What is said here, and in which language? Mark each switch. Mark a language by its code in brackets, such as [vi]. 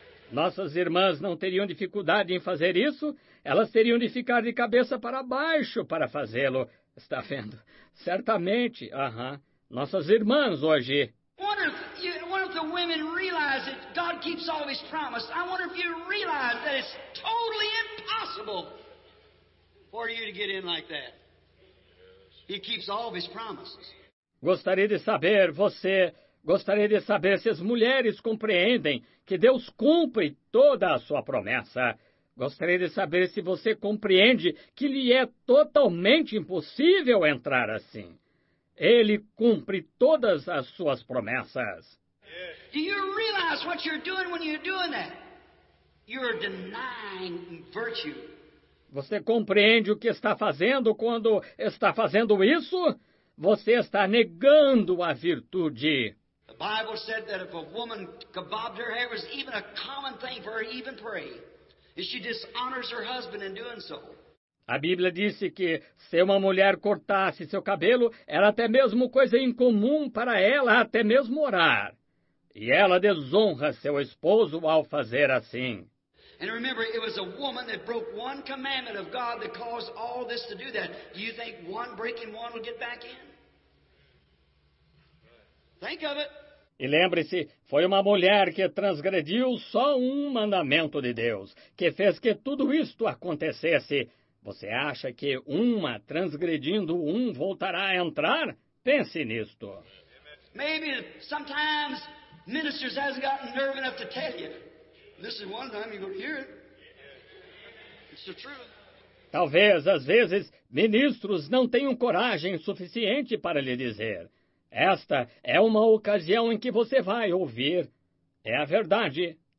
[pt] Nossas irmãs não teriam dificuldade em fazer isso. Elas teriam de ficar de cabeça para baixo para fazê-lo. Está vendo? Certamente. Uh-huh. Nossas irmãs hoje. [en] What if the women realize that God keeps all his promise? I wonder if you realize that it's totally impossible for you to get in like that. He keeps all of his promises. [pt] Gostaria de saber, você... Gostaria de saber se as mulheres compreendem que Deus cumpre toda a sua promessa. Gostaria de saber se você compreende que lhe é totalmente impossível entrar assim. Ele cumpre todas as suas promessas. [en] Do you realize what you're doing when you're doing that? You're denying virtue. [pt] Você compreende o que está fazendo quando está fazendo isso? Você está negando a virtude. [en] The Bible said that if a woman kebabbed her hair, it was even a common thing for her to even pray. And she dishonors her husband in doing so. [pt] A Bíblia disse que se uma mulher cortasse seu cabelo, era até mesmo coisa incomum para ela até mesmo orar. E ela desonra seu esposo ao fazer assim. [en] And remember, it was a woman that broke one commandment of God that caused all this to do that. Do you think one breaking one will get back in? Think of it. [pt] E lembre-se, foi uma mulher que transgrediu só um mandamento de Deus, que fez que tudo isto acontecesse. Você acha que uma transgredindo um voltará a entrar? Pense nisto. [en] Maybe sometimes ministers hasn't gotten nerve enough to tell you. Listen one time, you're going to hear it. It's the truth. [pt] Talvez, às vezes, ministros não tenham coragem suficiente para lhe dizer. Esta é uma ocasião em que você vai ouvir. É a verdade.